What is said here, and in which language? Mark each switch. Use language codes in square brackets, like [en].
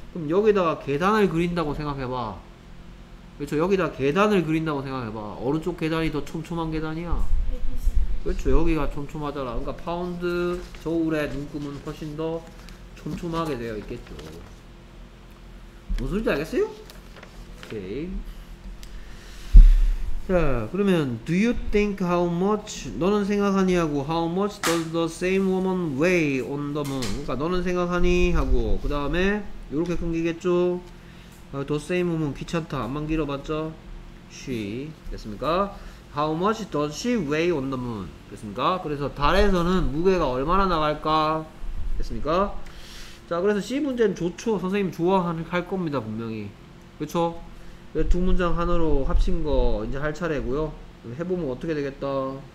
[ko] 그럼 여기다가 계단을 그린다고 생각해 봐. 그렇죠? 여기다 계단을 그린다고 생각해 봐. 오른쪽 계단이 더 촘촘한 계단이야. 그렇죠. 여기가 촘촘하더라. 그러니까 파운드 저울의 눈금은 훨씬 더 촘촘하게 되어 있겠죠. 무슨 소리인지 알겠어요? 오케이. 자, 그러면 [en] Do you think how much [ko] 너는 생각하니 하고 [en] How much does the same woman weigh on the moon? [ko] 그러니까 너는 생각하니 하고 그 다음에 이렇게 끊기겠죠. [en] The same woman [ko] 귀찮다. 안만 길어봤죠? She 됐습니까? [en] How much does she weigh on the moon? [ko] 됐습니까? 그래서 달에서는 무게가 얼마나 나갈까? 됐습니까? 자, 그래서 C 문제는 좋죠. 선생님 좋아할 겁니다. 분명히. 그렇죠? 두 문장 하나로 합친 거 이제 할 차례고요. 해보면 어떻게 되겠다?